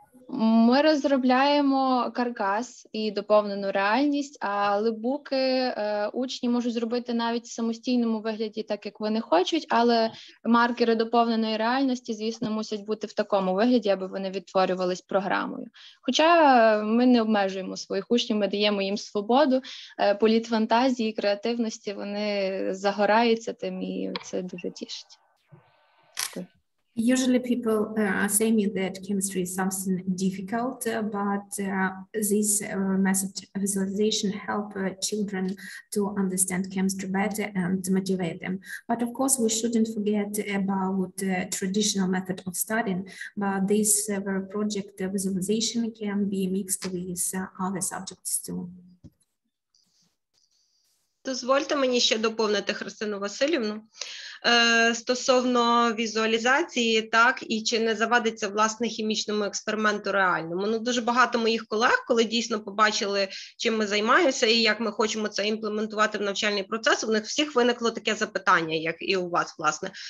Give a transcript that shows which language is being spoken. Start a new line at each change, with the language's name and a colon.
Ukrainian: Ми розробляємо каркас і доповнену реальність, а липбуки учні можуть зробити навіть в самостійному вигляді, так як вони хочуть, але маркери доповненої реальності, звісно, мусять бути в такому вигляді, аби вони відтворювались програмою. Хоча ми не обмежуємо своїх учнів, ми даємо їм свободу, політ фантазії, креативності, вони загораються тим, і це дуже тішить.
English: Usually people say me that chemistry is something difficult, but this method of visualization help children to understand chemistry better and motivate them. But of course, we shouldn't forget about the traditional method of studying, but this project visualization can be mixed with other subjects too.
Ukrainian: Дозвольте мені ще доповнити Христину Васильівну. стосовно візуалізації, так, і чи не завадиться, власне, хімічному експерименту реальному. Ну, дуже багато моїх колег, коли дійсно побачили, чим ми займаємося і як ми хочемо це імплементувати в навчальний процес, у них всіх виникло таке запитання, як і у вас, власне.